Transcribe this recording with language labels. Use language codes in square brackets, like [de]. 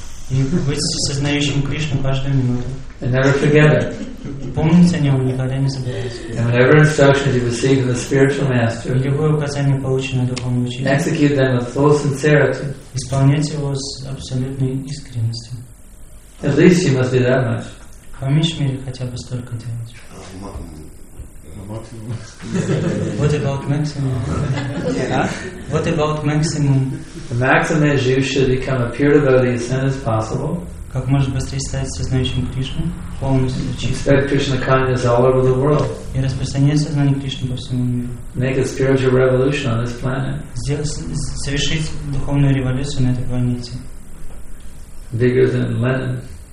[ru] И быть сознающим Кришну каждую минуту. [en] And never forget it. [ru] Помните о нем, никогда не забывайте. [en] And whatever instructions you receive from the spiritual master, [ru] любое указание, полученное духовным учителем, [en] execute them with full sincerity. [ru] Исполняйте его с абсолютной искренностью. [en] At least you must do that much. [ru] По меньшей мере хотя бы столько делать. [en] What about maximum? What about maximum? The maximum is you should become a pure devotee as soon as possible. [ru] Как можно быстрее стать сознающим Кришну, полностью чистым. [en] Expect Krishna consciousness all over the world. [ru] И распространяй сознание Кришны по всему миру. [en] Make a spiritual revolution on this planet. [ru] Совершить духовную революцию на этой планете. [en] Bigger than Lenin.